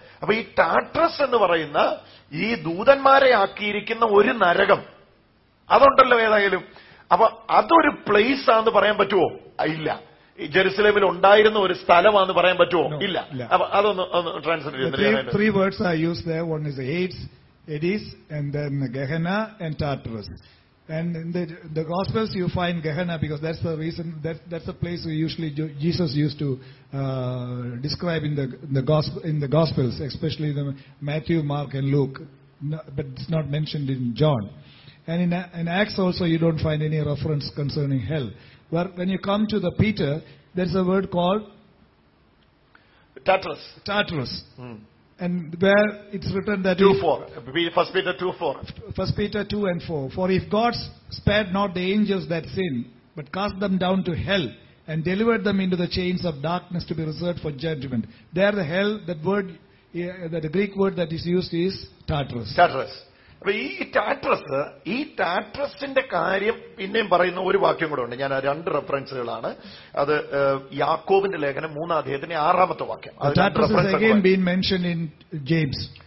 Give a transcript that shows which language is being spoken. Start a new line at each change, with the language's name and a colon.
Malayalam: അപ്പൊ ഈ ടാറ്ററസ് എന്ന് പറയുന്ന ഈ ദൂതന്മാരെ ആക്കിയിരിക്കുന്ന ഒരു നരകം അതുണ്ടല്ലോ ഏതായാലും. അപ്പൊ അതൊരു പ്ലേസ് ആണെന്ന് പറയാൻ പറ്റുമോ? ഇല്ല. ജെറുസലേമിൽ ഉണ്ടായിരുന്ന ഒരു സ്ഥലമാണെന്ന് പറയാൻ പറ്റുമോ? ഇല്ല. അപ്പൊ അതൊന്ന് ട്രാൻസ്ലേറ്റ് ചെയ്യുന്നില്ല.
English: Three words I use there. One is Hades, it's and then Gehenna and Tartarus. And in the Gospels you find Gehenna, because that's the reason, that's the place we usually Jesus used to describe in the Gospels, especially the Matthew, Mark and Luke, but it's not mentioned in John. And in Acts also you don't find any reference concerning hell. But when you come to the Peter, there's a word called Tartarus. And where it's written that 1 Peter 2:4, for if God spared not the angels that sin, but cast them down to hell and delivered them into the chains of darkness to be reserved for judgment. There the hell, that word, the Greek word that is used is Tartarus.
Malayalam: ഈ ടാറ്ററസിന്റെ കാര്യം പിന്നെയും പറയുന്ന ഒരു വാക്യം കൂടെ ഉണ്ട്. ഞാൻ രണ്ട് റെഫറൻസുകളാണ്. അത് യാക്കോബിന്റെ ലേഖനം 3:6 വാക്യം.
English: Tartarus again been mentioned in James.